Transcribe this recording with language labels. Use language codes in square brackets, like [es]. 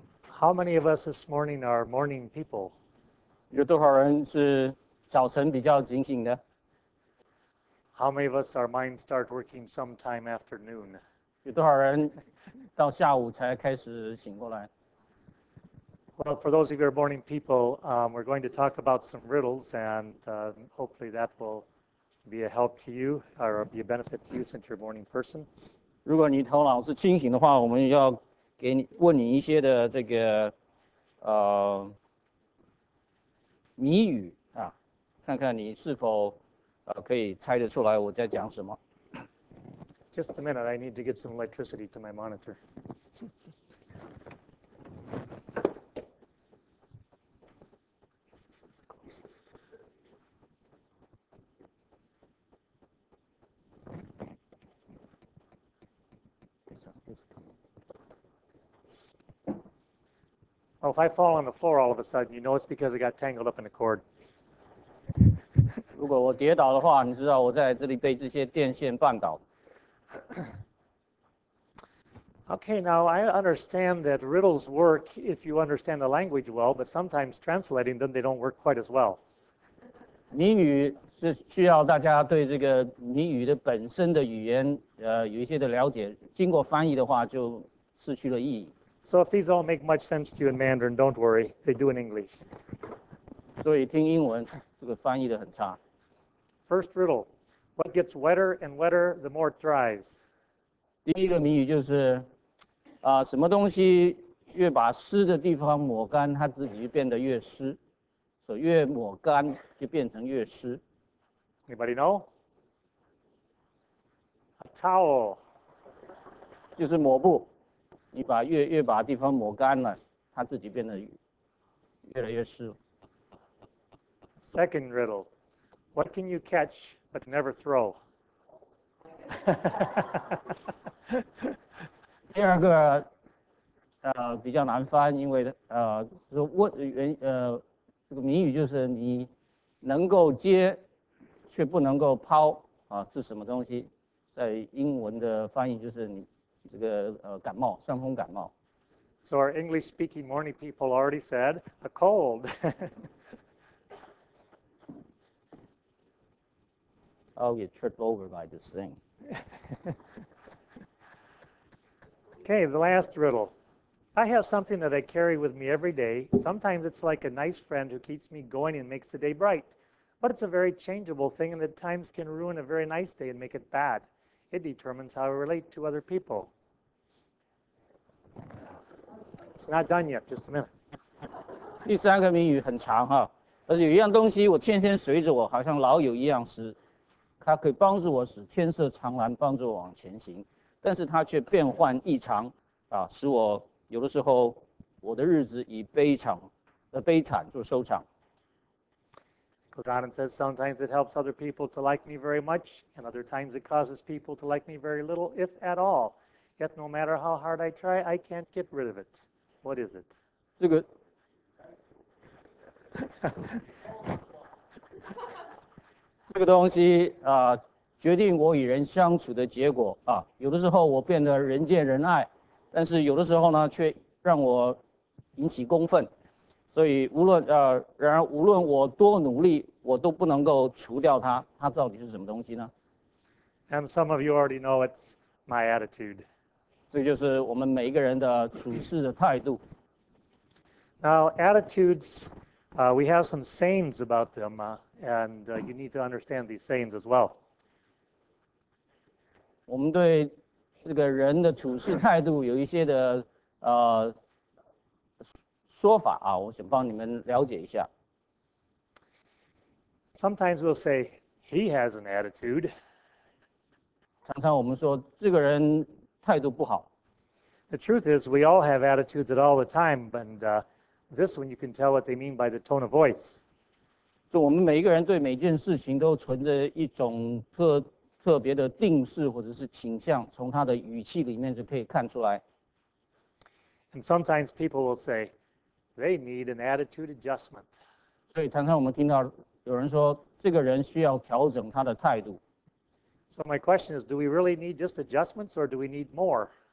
[en] How many of us this morning are morning people? [zh] 有多少人是早晨比较警醒的？ [en] How many of us, our minds start working sometime after noon? [zh] 有多少人到下午才开始醒过来？ [en] Well, for those of you who are morning people, we're going to talk about some riddles, and hopefully that will be a help to you or be a benefit to you since you're a morning person. [zh] 如果你头脑是清醒的话，我们要给你问你一些的这个谜语啊，看看你是否可以猜得出来我在讲什么。 [en] Just a minute, I need to get some electricity to my monitor. Well, if I fall on the floor all of a sudden, you know it's because I got tangled up in a cord. [zh] 如果我跌倒的话，你知道我在这里被这些电线绊倒。 [en] Okay, now I understand that riddles work if you understand the language well, but sometimes translating them, they don't work quite as well. [zh] 谜语是需要大家对这个谜语的本身的语言，有一些的了解，经过翻译的话就失去了意义。 [en] So if these all make much sense to you in Mandarin, don't worry, they do in English. [zh] 所以听英文，这个翻译的很差。 [en] First riddle, what gets wetter and wetter the more it dries? [zh] 第一个谜语就是，什么东西越把湿的地方抹干，它自己就变得越湿，所以越抹干就变成越湿。 [en] Anybody know? A towel. [zh] 就是抹布，你把越把地方抹干了，它自己变得越来越湿。 [en] Second riddle. What can you catch but never throw? [zh] 第二个，比较难翻，因为说问原这个谜语就是你能够接，却不能够抛啊，是什么东西？在英文的翻译就是你这个感冒，伤风感冒。 [en] So our English-speaking morning people already said a cold. I'll get tripped over by this thing. Okay, the last riddle. I have something that I carry with me every day. Sometimes it's like a nice friend who keeps me going and makes the day bright. But it's a very changeable thing, and at times can ruin a very nice day and make it bad. It determines how I relate to other people. It's not done yet, just a minute. [zh] 第三个谜语很长哈，而且有一样东西我天天随着我，好像老友一样时。它可以帮助我使天色长蓝，帮助我往前行，但是它却变幻异常，使我有的时候我的日子以悲惨做收场。 [en] Goes on and says, sometimes it helps other people to like me very much, and other times it causes people to like me very little, if at all. Yet no matter how hard I try, I can't get rid of it. What is it? [zh] 这个。这个东西决定我与人相处的结果啊。有的时候我变得人见人爱，但是有的时候呢，却让我引起公愤。所以无论然而无论我多努力，我都不能够除掉它。它到底是什么东西呢 [en] ？And some of you already know it's my attitude. [zh] 这就是我们每一个人的处事的态度。 [en] Now attitudes, we have some sayings about them. And you need to understand these sayings as well. [zh] 我们对这个人的处事态度有一些的说法啊，我想帮你们了解一下。 [en] Sometimes we'll say he has an attitude. [zh] 常常我们说这个人态度不好。 [en] The truth is, we all have attitudes at all the time, and this one you can tell what they mean by the tone of voice. [zh] 就我们每一个人对每件事情都存着一种特别的定势或者是倾向，从他的语气里面就可以看出来。 [en] And sometimes people will say they need an attitude adjustment. [zh] 所以常常我们听到有人说这个人需要调整他的态度。 [en] So my question is, do we really need just adjustments, or do we need more?